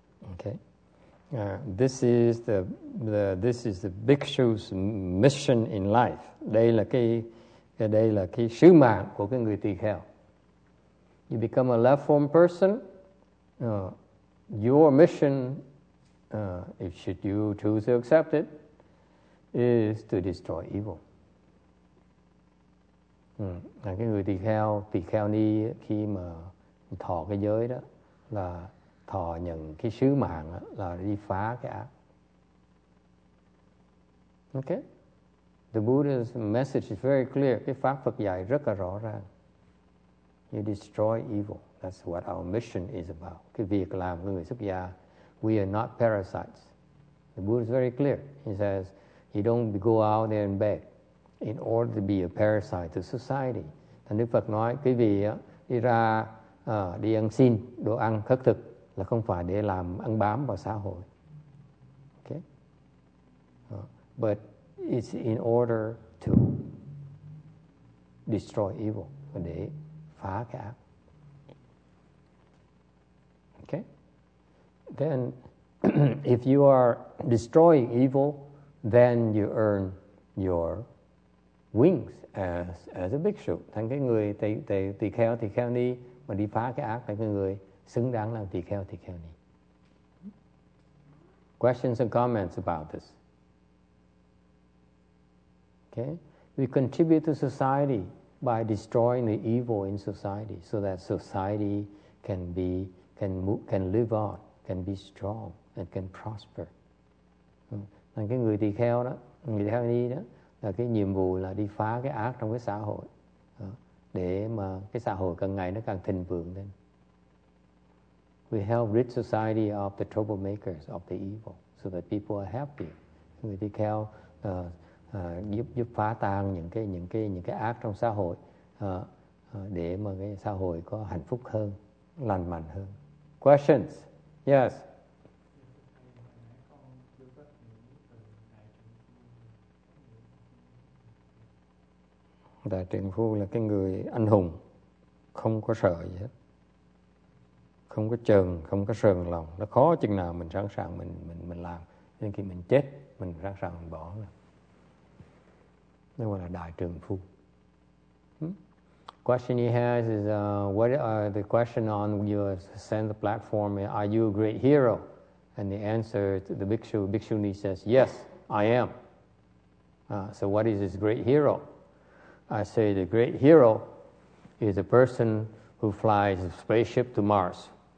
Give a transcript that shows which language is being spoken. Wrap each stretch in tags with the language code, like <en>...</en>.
<en>Okay. This is the bhikshu's mission in life.</en> <vi>Đây là cái sứ mạng của cái người tỳ kheo.</vi> <en>You become a left form person. Your mission, if should you choose to accept it, is to destroy evil.</en> <vi>Là cái người tỳ kheo đi khi mà thọ cái giới đó là thọ nhận cái sứ mạng là đi phá cái ác.</vi> <en>Okay, the Buddha's message is very clear.</en> <vi>Cái pháp Phật dạy rất là rõ ràng.</vi> <en>You destroy evil. That's what our mission is about.</en> <vi>Cái việc làm người xuất gia.</vi> <en>We are not parasites. The Buddha is very clear. He says, you don't go out there and beg in order to be a parasite to society.</en> <vi>Thành Đức Phật nói, quý vị đi ra đi ăn xin đồ ăn khất thực là không phải để làm ăn bám vào xã hội.</vi> <en>Okay. But it's in order to destroy evil,</en> <vi>để phá cái ác.</vi> <en>Okay. Then if you are destroying evil, then you earn your wings as a bhikshu.</en> <vi>Thành cái người tỳ kheo đi mà đi phá cái ác thành cái người xứng đáng làm tỳ kheo ni.</vi> <en>Questions and comments about this. Okay, we contribute to society by destroying the evil in society, so that society can live on, can be strong and can prosper.</en> <vi>Thành cái người tỳ kheo ni đó là cái nhiệm vụ là đi phá cái ác trong cái xã hội để mà cái xã hội càng ngày nó càng thịnh vượng lên.</vi> <en>We help rid society of the troublemakers, of the evil, so that people are happy.</en> <vi>Người tỳ kheo giúp phá tan những cái ác trong xã hội để mà cái xã hội có hạnh phúc hơn, lành mạnh hơn.</vi> <en>Questions? Yes.</en> <vi>Đại trượng phu là cái người anh hùng, không có sợ gì hết, không có chờn, không có sờn lòng. Nó khó chừng nào mình sẵn sàng mình làm, nhưng khi mình chết mình sẵn sàng mình bỏ. Nó gọi là đại trượng phu.</vi> <en>Question he has is what are the question on your send the platform? Are you a great hero? And the answer to the bhikshu ni says yes, I am. So what is his great hero? I say the great hero is a person who flies a spaceship to Mars.</en>